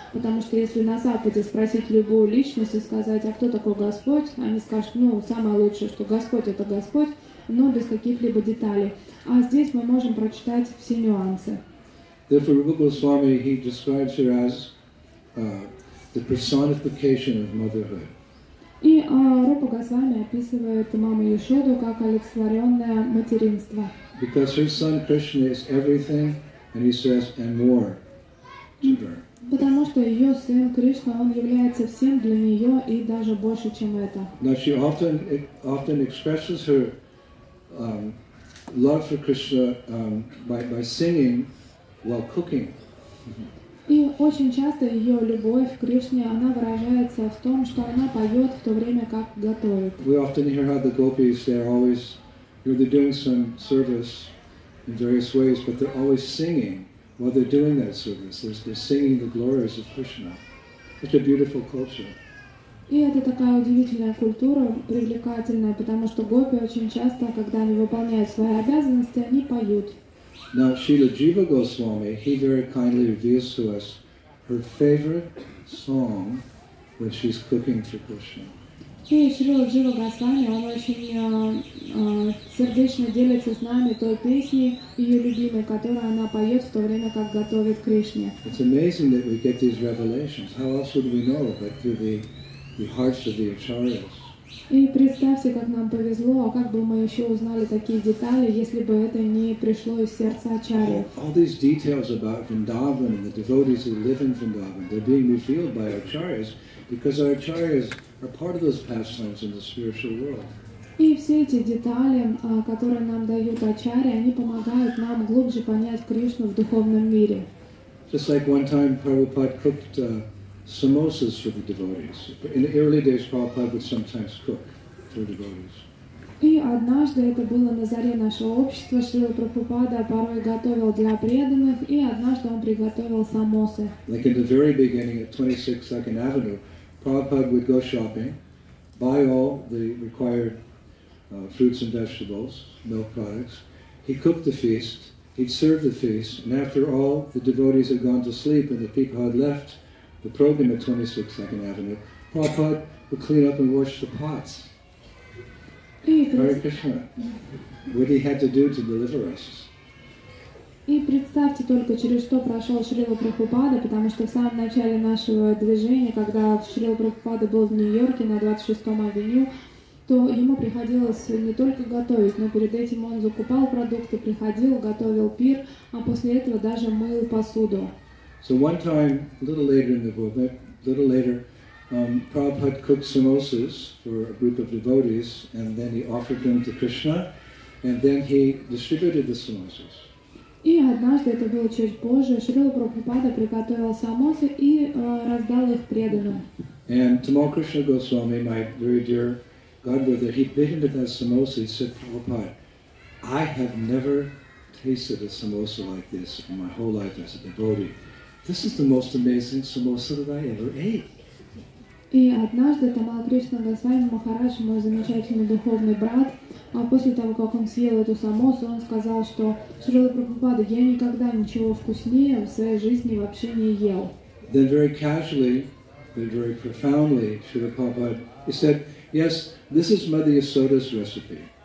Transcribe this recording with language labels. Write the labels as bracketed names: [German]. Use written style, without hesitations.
[Russian] Потому что если на Западе спросить любую личность и сказать, а кто такой Господь, они скажут, ну, самое лучшее, что Господь — это Господь, но без каких-либо деталей. А здесь мы можем прочитать все нюансы. [English] Therefore, Rupa Goswami, he describes her as the personification of motherhood. [Russian] И Рупа Госвами описывает маму Яшоду как олицетворенное материнство. [English] Because her son Krishna is everything, and he says, and more to her. [Russian] Потому что ее сын Кришна, он является всем для нее и даже больше, чем это. [English] Now she often expresses her love for Krishna by singing while cooking. [Russian] И очень часто ее любовь к Кришне, она выражается в том, что она поет в то время, как готовит. [English] We often hear how the gopis, they're always, you know, they're doing some service in various ways, but they're always singing while they're doing that service. They're singing the glories of Krishna. Such a beautiful culture. [Russian] И это такая удивительная культура, привлекательная, потому что гопи очень часто, когда они выполняют свои обязанности, они поют. [English] Now Srila Jiva Goswami, he very kindly reveals to us her favorite song when she's cooking for Krishna. [Russian] И Шрила Джива Госвами, он очень сердечно делится с нами той песней, ее любимой, которую она поет в то время, как готовит Кришне. [English] It's amazing that we get these revelations. How else would we know but through the hearts of the acharyas? [Russian] И представьте, как нам повезло, а как бы мы еще узнали такие детали, если бы это не пришло из сердца Ачарьи. [English] All these details about Vrindavan and the devotees who live in Vrindavan, they're being revealed by Acharyas, because our Acharyas are part of those pastimes in the spiritual world. [Russian] И все эти детали, которые нам дают Ачарьи, они помогают нам глубже понять Кришну в духовном мире. [English] Just like one time Prabhupada cooked samosas for the devotees. In the early days, Prabhupada would sometimes cook for devotees. [Russian] И однажды это было на заре нашего общества, Шрила Прабхупада порой готовил для преданных, и однажды он приготовил самосы. [English] Like in the very beginning at 26 Second Avenue, Prabhupada would go shopping, buy all the required fruits and vegetables, milk products. He cooked the feast, he'd serve the feast, and after all the devotees had gone to sleep and the people had left the program at 26 Second Avenue, Prabhupada would clean up and wash the pots. Hare Krishna. What he had to do to deliver us. [Russian] И представьте только, через что прошел Шрила Прабхупада, потому что в самом начале нашего движения, когда Шрила Прабхупада был в Нью-Йорке на 26-м авеню, то ему приходилось не только готовить, но перед этим он закупал продукты, приходил, готовил пир, а после этого даже мыл посуду. [English] So one time, a little later in the book, a little later, Prabhupada cooked samosas for a group of devotees, and then he offered them to Krishna, and then he distributed the samosas. [Russian] И однажды, это было чуть позже, Шрила Прабхупада приготовил самосы и раздал их преданным. [English] And Tamal Krishna Goswami, my very dear godbrother, he bit into that samosa and said, Prabhupada, I have never tasted a samosa like this in my whole life as a devotee. This is the most amazing samosa that I ever ate. [Russian] И однажды Тамал Кришна Госвами Махарадж, мой замечательный духовный брат, а после того, как он съел эту самосу, он сказал, что Шрила Прабхупада, я никогда ничего вкуснее в своей жизни вообще не ел. [English] Then very casually, then very profoundly, Шрила Прабхупада, he said, yes, this is Mother Yasoda's recipe.